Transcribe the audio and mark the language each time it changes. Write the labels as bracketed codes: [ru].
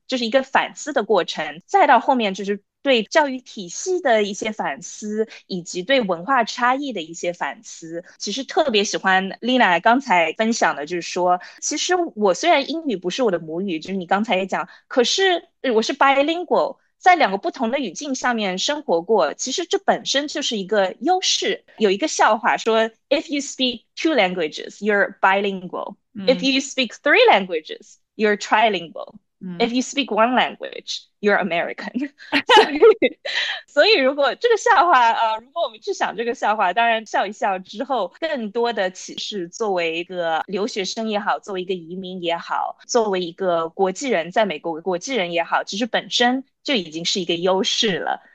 [zh] 就是一个反思的过程。再到后面，就是对教育体系的一些反思，以及对文化差异的一些反思。其实特别喜欢 Lina 刚才分享的，就是说，其实我虽然英语不是我的母语，就是你刚才也讲，可是我是 bilingual。在两个不同的语境下面生活过，其实这本身就是一个优势。有一个笑话说：“ [en] If you speak two languages, you're bilingual. If you speak three languages, you're trilingual. If you speak one language, you're American.” [zh] 所以如果这个笑话啊，如果我们去想这个笑话，当然笑一笑之后，更多的启示，作为一个留学生也好，作为一个移民也好，作为一个国际人，在美国国际人也好，其实本身就已经是一个优势了。